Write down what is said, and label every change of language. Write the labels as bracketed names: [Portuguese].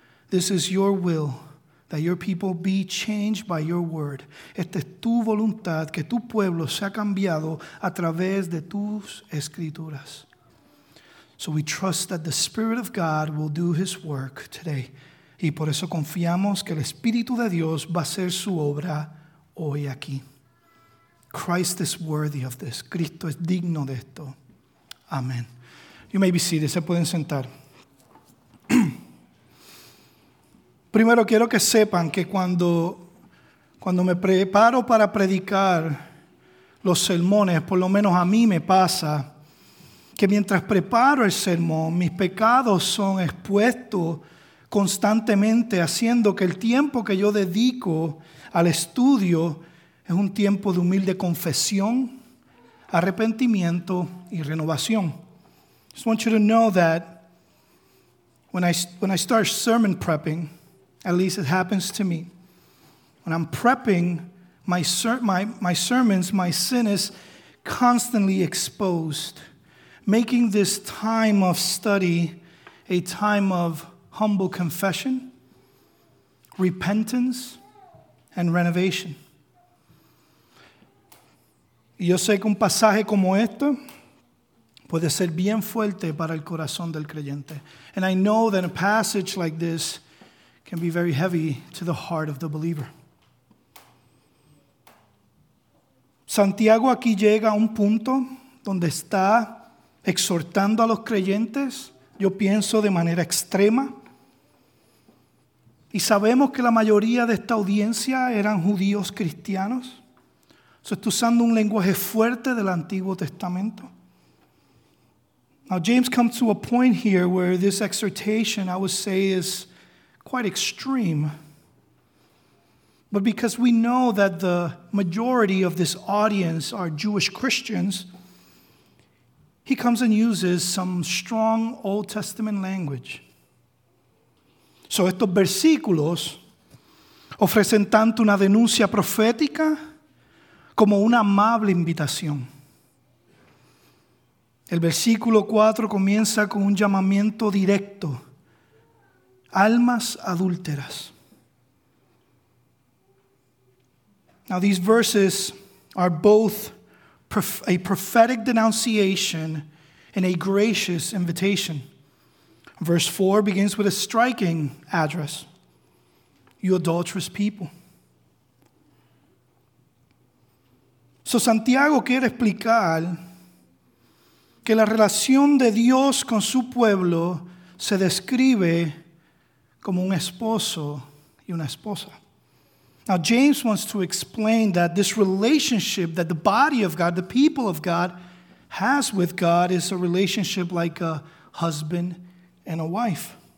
[English] This is your will, that your people be changed by your word. [Spanish] Esta es tu voluntad, que tu pueblo sea cambiado a través de tus escrituras. [English] So we trust that the Spirit of God will do his work today. [Spanish] Y por eso confiamos que el Espíritu de Dios va a hacer su obra hoy aquí. [English] Christ is worthy of this. [Spanish] Cristo es digno de esto. [English] Amen. You may be seated. [Spanish] Se pueden sentar. Primero quiero que sepan que cuando me preparo para predicar los sermones, por lo menos a mí me pasa que mientras preparo el sermón, mis pecados son expuestos constantemente, haciendo que el tiempo que yo dedico al estudio es un tiempo de humilde confesión, arrepentimiento y renovación. [English] I just want you to know that when I start sermon prepping, at least it happens to me, when I'm prepping my sermons, my sin is constantly exposed, making this time of study a time of humble confession, repentance, and renovation. [Spanish] Y yo sé que un pasaje como este puede ser bien fuerte para el corazón del creyente. [English] And I know that a passage like this can be very heavy to the heart of the believer. [Spanish] Santiago aquí llega a un punto donde está exhortando a los creyentes, yo pienso de manera extrema. Y sabemos que la mayoría de esta audiencia eran judíos cristianos. So está usando un lenguaje fuerte del Antiguo Testamento. [English] Now James comes to a point here where this exhortation, I would say, is quite extreme. But because we know that the majority of this audience are Jewish Christians, he comes and uses some strong Old Testament language. [Spanish] So estos versículos ofrecen tanto una denuncia profética como una amable invitación. El versículo 4 comienza con un llamamiento directo. Almas adúlteras. [English] Now these verses are both a prophetic denunciation and a gracious invitation. Verse 4 begins with a striking address. You adulterous people. [Spanish] So Santiago quiere explicar que la relación de Dios con su pueblo se describe como un esposo y una esposa. [English] Now James wants to explain that this relationship that the body of God, the people of God, has with God is a relationship like a husband and a wife.